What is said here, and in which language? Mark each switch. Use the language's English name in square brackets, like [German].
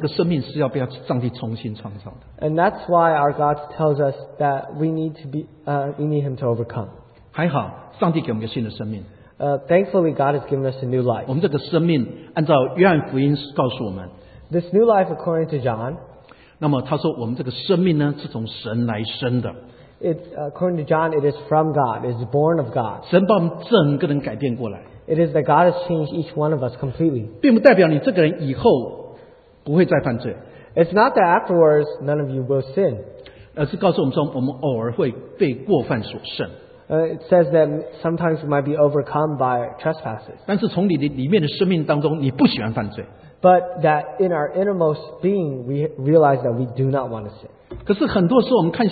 [Chinese] 所以上帝才告诉我们说，我们这个生命是要被上帝重新创造的。 [English] And that's why our God tells us that we need Him to overcome. [Chinese] 还好，上帝给我们一个新的生命。 [English] Thankfully, God has given us a new life. [Chinese] 我们这个生命按照约翰福音告诉我们, [English] this new life according to John. [Chinese] 那么他说我们这个生命呢, 是从神来生的。 [English] According to John, it is from God. It is born of God. [Chinese] 神把我们整个人改变过来。 [English] It is that God has changed each one of us completely. [Chinese] 并不代表你这个人以后不会再犯罪。 [English] It's not that afterwards none of you will sin. [Chinese] 而是告诉我们说我们偶尔会被过犯所胜。 [English] It says that sometimes we might be overcome by trespasses. But that in our innermost being, we realize that we do not want to sin.